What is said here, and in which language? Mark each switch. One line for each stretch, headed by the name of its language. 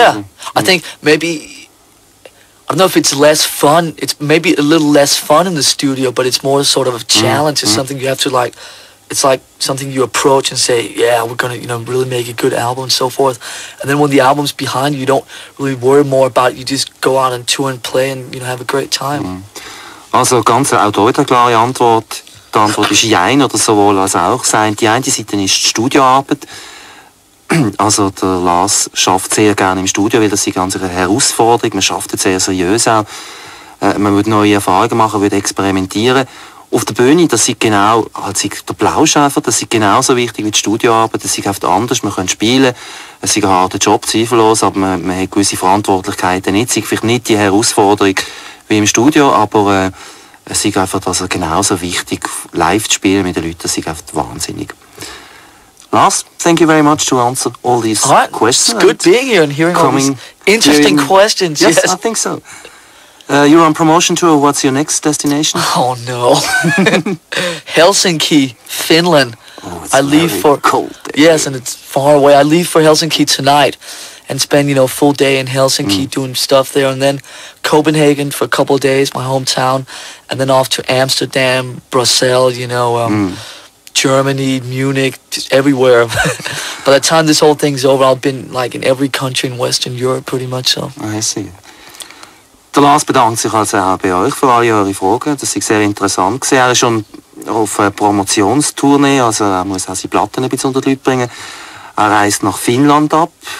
English: Yeah, I think maybe I don't know if it's less fun, it's maybe a little less fun in the studio, but it's more sort of a challenge. It's something you have to like, it's like something you approach and say, yeah, we're gonna, you know, really make a good album and so forth. And then when the album's behind you, you don't really worry more about it. You just go out and tour and play and, you know, have a great time.
German: Also, ganz auch dort eine klare Antwort. Die Antwort ist jein oder sowohl als auch sein. Die eine Seite ist die Studioarbeit. Also der Lars schafft sehr gerne im Studio, weil das ist ganz eine Herausforderung. Man schafft sehr seriös auch. Man würde neue Erfahrungen machen, würde experimentieren. Auf der Bühne, das ist genau, also der Plausch einfach, das ist genauso wichtig wie die Studioarbeit. Das ist oft anders, man kann spielen. Es ist ein harter Job, zweifellos, aber man hat gewisse Verantwortlichkeiten nicht. Es ist vielleicht nicht die Herausforderung wie im Studio, aber es ist einfach also genauso wichtig, live zu spielen mit den Leuten. Das ist oft wahnsinnig.
English: Lars, thank you very much to answer all these questions. It's good being here and hearing all these interesting questions. Yes, I think so. You're on promotion tour. What's your next destination? Oh, no. Helsinki, Finland. Oh, it's very for cold there. Yes, and it's far away. I leave for Helsinki tonight and spend, you know, a full day in Helsinki doing stuff there. And then Copenhagen for a couple of days, my hometown. And then off to Amsterdam, Brussels, you know, Germany, Munich, just everywhere. By the time this whole thing's over, I've been, like, in every country in Western Europe pretty much. So. I see.
German: Der Lars bedankt sich also auch bei euch für all eure Fragen. Das war sehr interessant. Er ist schon auf einer Promotionstournee, also er muss auch seine Platten ein bisschen unter die Leute bringen. Er reist nach Finnland ab.